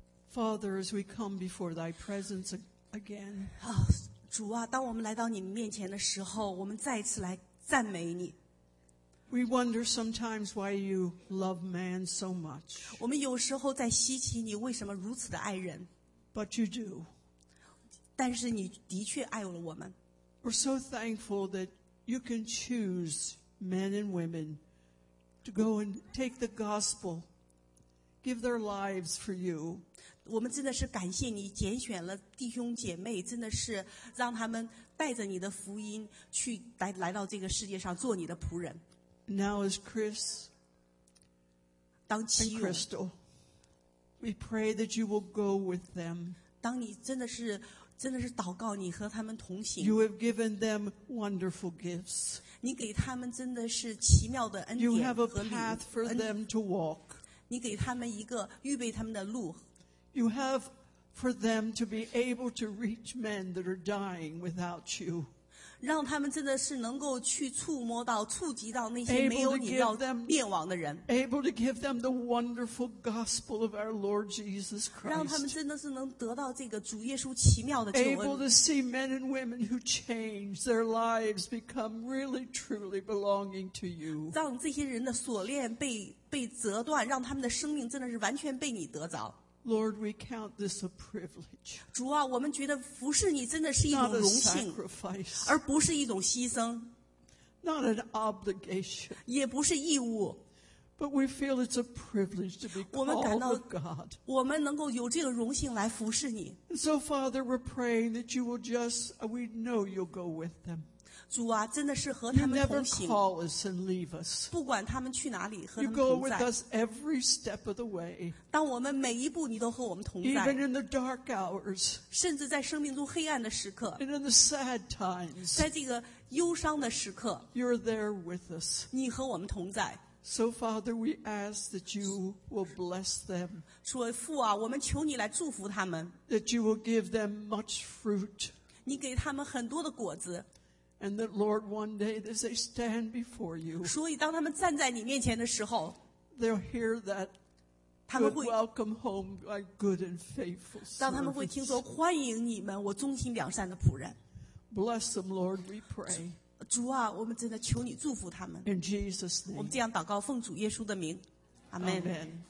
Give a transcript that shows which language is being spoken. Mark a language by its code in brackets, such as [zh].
[en] Father, as we come before Thy presence again, [zh] 主啊，当我们来到你面前的时候，我们再次来赞美你。 [en] We wonder sometimes why you love man so much. [zh] 我们有时候在稀奇你为什么如此的爱人。 [en] But you do. [zh] 但是你的确爱了我们。 [en] We're so thankful that you can choose men and women to go and take the gospel, give their lives for you. [zh] 我们真的是感谢你拣选了弟兄姐妹，真的是让他们带着你的福音去来到这个世界上做你的仆人。 [en] Now as Chris and Crystal, we pray that you will go with them. [zh] 当你真的是祷告你和他们同行。 [en] You have given them wonderful gifts. [zh] 你给他们真的是奇妙的恩典和礼物。 [en] You have a path for them to walk. [zh] 你给他们一个预备他们的路。 [en] You have for them to be able to reach men that are dying without you. [zh] 让他们真的是能够去触及到那些没有你要灭亡的人。 [en] Able to give them the wonderful gospel of our Lord Jesus Christ. [zh] 让他们真的是能得到这个主耶稣奇妙的救恩。 [en] Able to see men and women who change their lives become really truly belonging to you. [zh] 让这些人的锁链被折断，让他们的生命真的是完全被你得着。 [en] Lord, we count this a privilege. [zh] 主啊，我们觉得服侍你真的是一种荣幸，而不是一种牺牲。 [en] Not an obligation. [zh] 也不是义务。 [en] But we feel it's a privilege to be called of God. [zh] 我们能够有这个荣幸来服侍你。 [en] And so, Father, we're praying that you will just, we know you'll go with them. [zh] 主啊，真的是和他们同行。 [en] You never call us and leave us. [zh] 不管他们去哪里，和他们同在。 [en] You go with us every step of the way. [zh] 当我们每一步，你都和我们同在。 [en] Even in the dark hours. [zh] 甚至在生命中黑暗的时刻。 [en] And in the sad times. [zh] 在这个忧伤的时刻。 [en] You're there with us. [zh] 你和我们同在。 [en] So Father, we ask that you will bless them. [zh] 主父啊，我们求你来祝福他们。 [en] That you will give them much fruit. [zh] 你给他们很多的果子。 [en] And that Lord, one day as they stand before you, [zh] 所以当他们站在你面前的时候， [en] they'll hear that good welcome home, my good and faithful servant. [zh] 当他们会听说欢迎你们，我忠心良善的仆人。 [en] Bless them, Lord. We pray. [zh] 主啊，我们真的求你祝福他们。 [en] In Jesus' name. [zh] 我们这样祷告，奉主耶稣的名， [en] Amen. Amen.